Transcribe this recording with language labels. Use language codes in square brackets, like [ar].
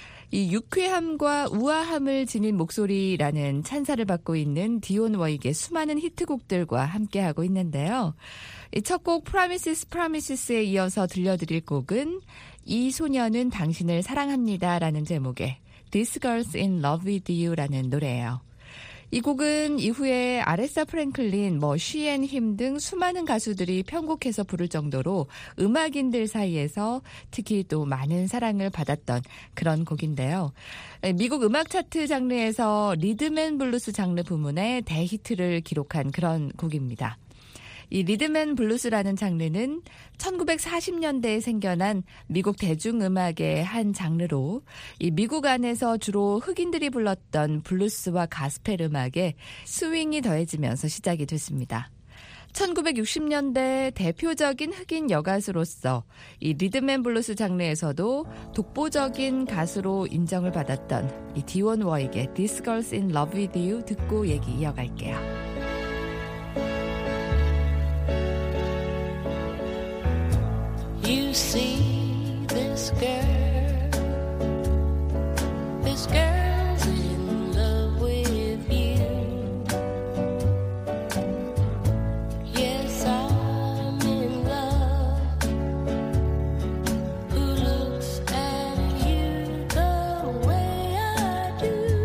[ko] 이 유쾌함과 우아함을 지닌 목소리라는 찬사를 받고 있는 디온 워익의 수많은 히트곡들과 함께하고 있는데요. 이 첫 곡 Promises, Promises에 이어서 들려드릴 곡은 이 소녀는 당신을 사랑합니다라는 제목의 This Girl's in Love with You라는 노래예요. 이 곡은 이후에 아레사 프랭클린, 뭐 She and Him 등 수많은 가수들이 편곡해서 부를 정도로 음악인들 사이에서 특히 또 많은 사랑을 받았던 그런 곡인데요. 미국 음악 차트 장르에서 리듬앤블루스 장르 부문의 대히트를 기록한 그런 곡입니다. 이 리듬앤블루스라는 장르는 1940년대에 생겨난 미국 대중음악의 한 장르로 이 미국 안에서 주로 흑인들이 불렀던 블루스와 가스펠 음악에 스윙이 더해지면서 시작이 됐습니다. 1960년대 대표적인 흑인 여가수로서 이 리듬앤블루스 장르에서도 독보적인 가수로 인정을 받았던 이 디원 워에게 This Girl's in Love With You 듣고 얘기 이어갈게요. [en] You see this girl, this girl's in love with you. Yes, I'm in love. Who looks at you the way I do?